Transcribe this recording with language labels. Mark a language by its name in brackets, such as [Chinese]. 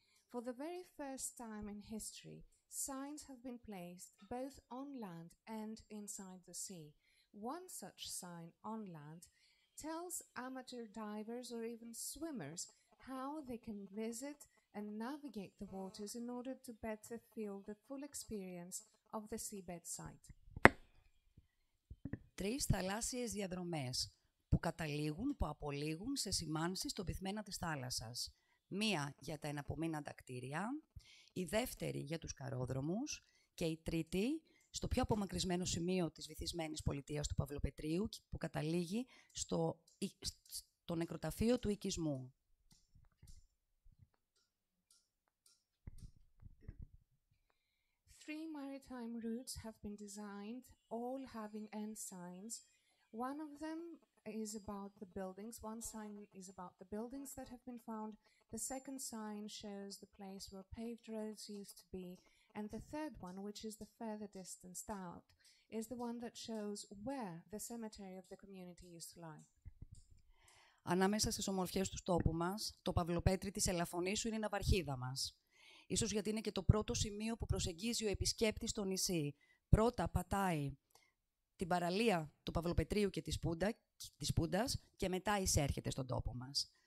[English] For the very first time in history, signs have been placed both on land and inside the sea. One such sign on land tells amateur divers or even swimmers how they can visit and navigate the waters in order to better feel the full experience of the seabed site. [Greek] Τρεις θαλάσσιες διαδρομές που καταλήγουν, που απολύγουν σε σημάνσεις στον πυθμένα της θάλασσας. Μία για τα εναπομείναντα κτίρια, η δεύτερη για τους καρόδρομους και η τρίτη στο πιο απομακρυσμένο σημείο της βυθισμένης πολιτείας του Παυλοπετρίου που καταλήγει στο νεκροταφείο του οικισμού. [English] Three maritime routes have been designed, all having end signs. One of them is about the buildings. One sign is about the buildings that have been found. The second sign shows the place where paved roads used to be. And the third one, which is the further distance out, is the one that shows where the cemetery of the community used to lie. [Greek] Ανάμεσα στις ομορφιές του τόπου μας, το Παυλοπέτρι της Ελαφωνήσου είναι η ναυαρχίδα μας. Ίσως γιατί είναι και το πρώτο σημείο που προσεγγίζει ο επισκέπτης στο νησί. Πρώτα πατάει την παραλία του Παυλοπετρίου και της Πούντας και μετά εισέρχεται στον τόπο μας.